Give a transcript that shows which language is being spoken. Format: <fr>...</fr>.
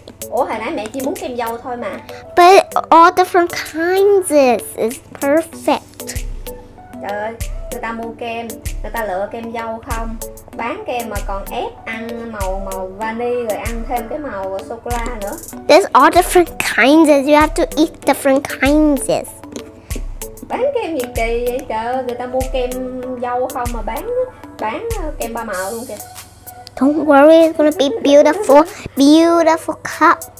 <vi>Ủa hồi nãy mẹ chỉ muốn kem dâu thôi mà.</vi> <en>But all different kinds is perfect.</en> <vi>Trời ơi, người ta mua kem, người ta lựa kem dâu không? Bán kem mà còn ép ăn màu vani rồi ăn thêm cái màu sô cô la nữa.</vi> <en>There's all different kinds, you have to eat different kinds.</en> <vi>Bán kem gì kỳ vậy trời, người ta mua kem dâu không mà bán kem ba màu luôn kìa.</vi> <en>Don't worry, it's gonna be beautiful, beautiful cup.</en>